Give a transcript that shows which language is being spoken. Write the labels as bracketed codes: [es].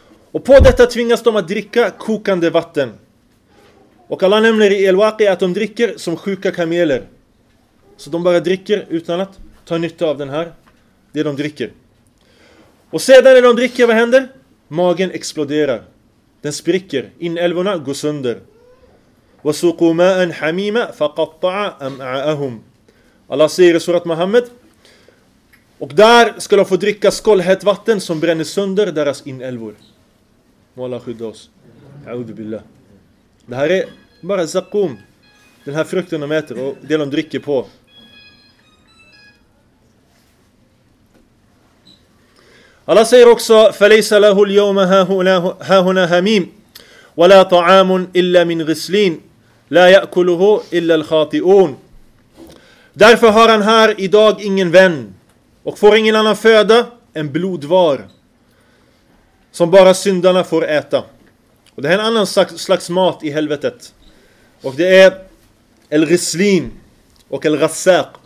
[sv] Och på detta tvingas de att dricka kokande vatten. Och Allah nämner i El-Waqi att de dricker som sjuka kameler. Så de bara dricker utan att ta nytta av den här, det de dricker. Och sedan när de dricker, vad händer? Magen exploderar. Den spricker. Inälvorna går sönder. [ar] وَسُقُوا مَاءً حَمِيمًا فَقَطَّعَ أَمْعَاءَهُمْ. [sv] Allah säger i surat Muhammad. Och där ska de få dricka skållhett vatten som bränner sönder deras inälvor. Må Allah skydda oss. A'udhu billah. Det här är bara zakum. Den här frukten de äter och det de dricker på. [ar] Allah säger också فَلَيْسَ لَهُ الْيَوْمَ هَهُنَا هَمِيمٌ وَلَا طَعَامٌ إِلَّا مِنْ غِسْلِينَ لَا يَأْكُلُهُ إِلَّا الْخَاطِئُونَ. [sv] Därför har han här idag ingen vän och får ingen annan föda än blodvar som bara syndarna får äta. Och det är en annan slags mat i helvetet. Och det är el-ghislin och el-ghassaq.